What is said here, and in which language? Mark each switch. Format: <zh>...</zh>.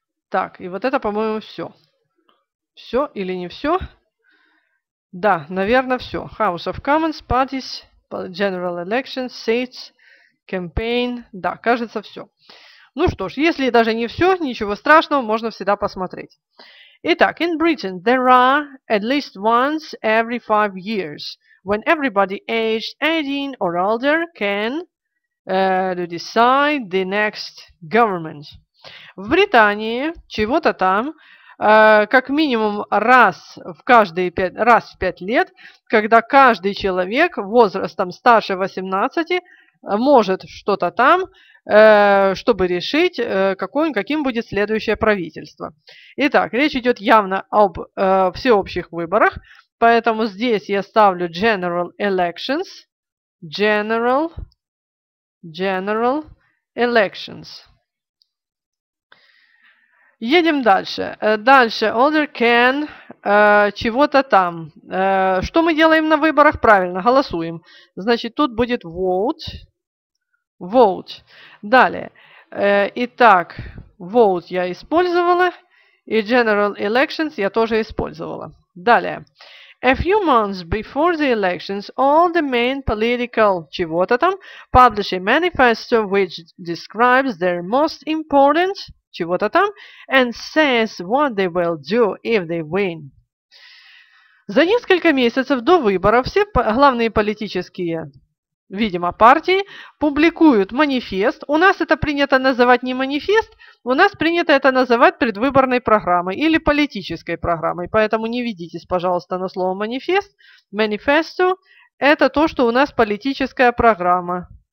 <ru>Так, и вот это, по-моему, все. Все или не все? Да, наверное, все.</ru> <en>House of Commons, parties, general elections, seats, campaign.</en> <ru>Да, кажется, все. Ну что ж, если даже не все, ничего страшного, можно всегда посмотреть. Итак,</ru> <en>in Britain there are at least once every 5 years when everybody aged 18 or older can decide the next government.</en> <ru>В Британии чего-то там, как минимум раз в 5 лет, когда каждый человек возрастом старше 18 может что-то там, чтобы решить, каким будет следующее правительство. Итак, речь идет явно об всеобщих выборах, поэтому здесь я ставлю general elections.</ru> <en>General elections.</en> <ru>Едем дальше. Дальше.</ru> <en>Older can</en> <ru>чего-то там. Что мы делаем на выборах? Правильно, голосуем. Значит, тут будет vote. Vote. Далее. Итак, vote я использовала. И general elections я тоже использовала. Далее.</ru> <en>A few months before the elections, all the main political</en> <ru>чего-то там</ru> <en>publish a manifesto which describes their most important чего-то там, and says what they will do if they win.</en> <ru>За несколько месяцев до выборов все главные политические, видимо, партии публикуют манифест. У нас это принято называть не манифест, у нас принято это называть предвыборной программой или политической программой. Поэтому не ведитесь, пожалуйста, на слово манифест. Manifesto – это то, что у нас политическая программа.</ru>